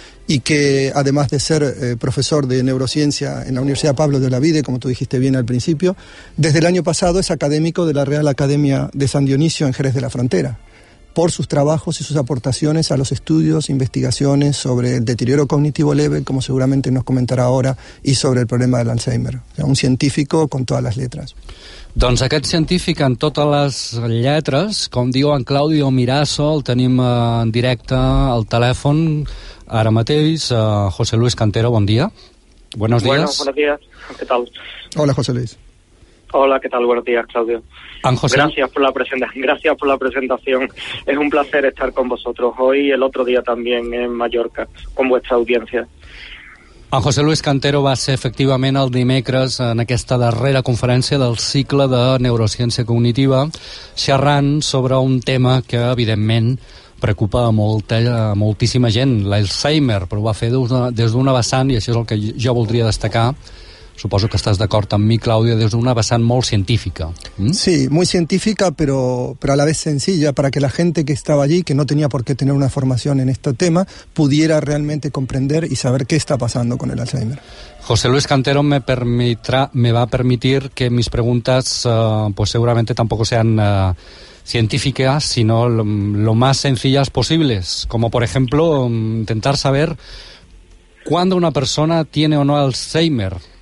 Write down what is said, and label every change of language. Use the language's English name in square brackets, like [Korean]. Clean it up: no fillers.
[Spanish] y que además de ser profesor de neurociencia en la Universidad Pablo de Olavide, como tú dijiste bien al principio, desde el año pasado es académico de la Real Academia de San Dionisio en Jerez de la Frontera, por sus trabajos y sus aportaciones a los estudios, investigaciones sobre el deterioro cognitivo leve, como seguramente nos comentará ahora, y sobre el problema del Alzheimer. O sea, un científico con todas las letras. [Catalan] Doncs aquest científic en totes les lletres, com diu en Claudio Mirasso, el tenim en directe al telèfon ara mateix. José Luis Cantero, bon dia. [Spanish] Buenos días. Bueno, buenos días. ¿Qué tal? Hola, José Luis. Hola, ¿qué tal? Buenos días, Claudio. Gracias por la presentación. Es un placer estar con vosotros hoy y el otro día también en Mallorca, con vuestra audiencia. [Catalan] En José Luis Cantero va ser efectivament el dimecres en aquesta darrera conferència del cicle de neurociència cognitiva xerrant sobre un tema que evidentment preocupa moltíssima gent, l'Alzheimer, però ho va fer des d'una vessant, i això és el que jo voldria destacar, suposo que estàs d'acord amb mi, Claudia, des d'una vessant molt científica. [Spanish] Sí, muy científica, pero a la vez sencilla, para que la gente que estaba allí, que no tenía por qué tener una formación en este tema, pudiera realmente comprender y saber qué está pasando con el Alzheimer. José Luis Cantero me va a permitir que mis preguntas, pues seguramente tampoco sean científicas, sino lo más sencillas posibles, como por ejemplo intentar saber cuándo una persona tiene o no Alzheimer.